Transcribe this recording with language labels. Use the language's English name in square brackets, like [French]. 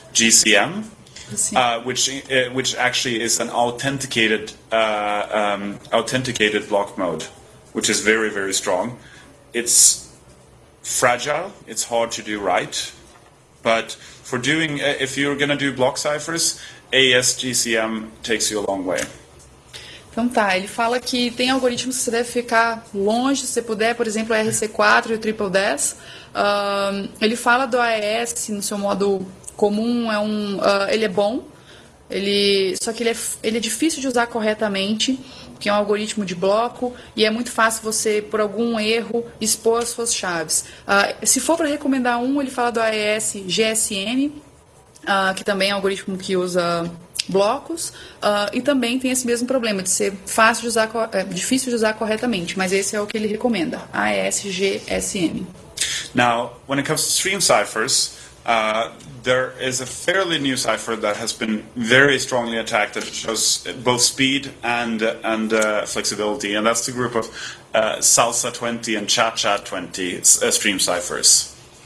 [English] GCM, which actually is an authenticated authenticated block mode, which is very, very strong. It's fragile, it's hard to do right, but for doing, if you're going to do block ciphers, AES GCM takes you a long way. [Portuguese] Então tá, ele fala que tem algoritmos que você deve ficar longe, se você puder, por exemplo, o RC4 e o Triple DES. Ele fala do AES no seu modo comum, é um, ele é bom, ele, só que ele é difícil de usar corretamente, que é um algoritmo de bloco, e é muito fácil você, por algum erro, expor as suas chaves. Se for para recomendar um, ele fala do AES GSM, que também é um algoritmo que usa blocos, e também tem esse mesmo problema de ser fácil de usar, difícil de usar corretamente, mas esse é o que ele recomenda, AES GSM. [English] Now, when it comes to stream ciphers, there is a fairly new cipher that has been very strongly attacked that shows both speed and flexibility, and that's the group of Salsa 20 and Cha-Cha 20 stream ciphers.